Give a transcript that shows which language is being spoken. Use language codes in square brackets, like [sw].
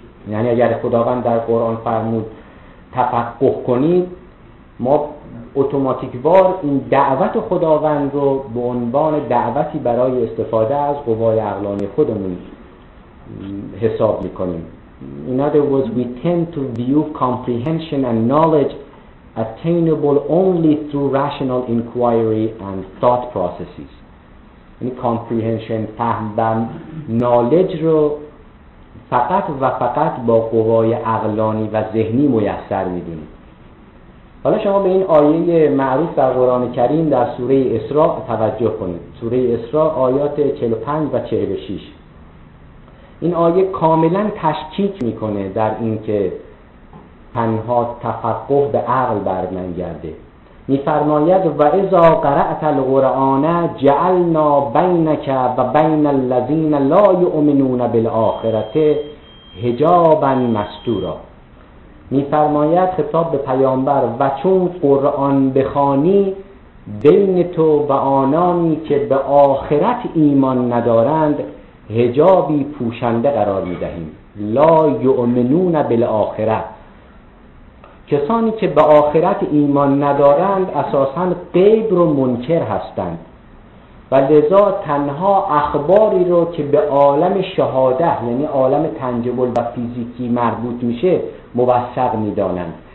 [fa] یعنی اگر خداوند در قرآن فرمود تفقه کنید، ما اتوماتیکوار این دعوت خداوند رو به عنوان دعوتی برای استفاده از قوای عقلانی خودمون حساب میکنیم. [en] In other words, we tend to view comprehension and knowledge attainable only through rational inquiry and thought processes. [fa] یعنی comprehension، فهم و knowledge رو فقط و فقط با قوای عقلانی و ذهنی میسر میدونیم. حالا شما به این آیه معروف در قرآن کریم در سوره اسراء توجه کنید. سوره اسراء آیات 45 و 46. این آیه کاملا تشکیک میکنه در اینکه تنها تفقه به عقل برمی‌گرده. [ar] میفرماید و اذا قرأت القرآن جعلنا بينك وبين الذين لا يؤمنون بالآخرة حجابا مستورا. [fa] میفرماید خطاب به پیامبر و چون قرآن بخوانی بین تو و آنانی که به آخرت ایمان ندارند حجابی پوشنده قرار میدهیم. [ar] لا یؤمنون بالآخره، [fa] کسانی که به آخرت ایمان ندارند اساساً غیب رو منکر هستند و لذا تنها اخباری رو که به عالم شهاده یعنی عالم تنجبل و فیزیکی مربوط میشه موثق میدانند.